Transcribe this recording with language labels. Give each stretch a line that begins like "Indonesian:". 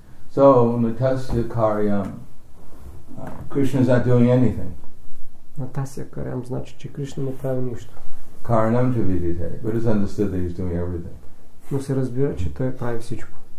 English: So
Sanskrit: natasya karyam,
English: Krishna is not doing anything.
Sanskrit: Natasya karyam
Bulgarian: значи, че Кришна не прави нищо.
Sanskrit: Karanam cha vidite,
English: but it's understood that he's doing everything.
Bulgarian: Но се разбира, че той прави всичко.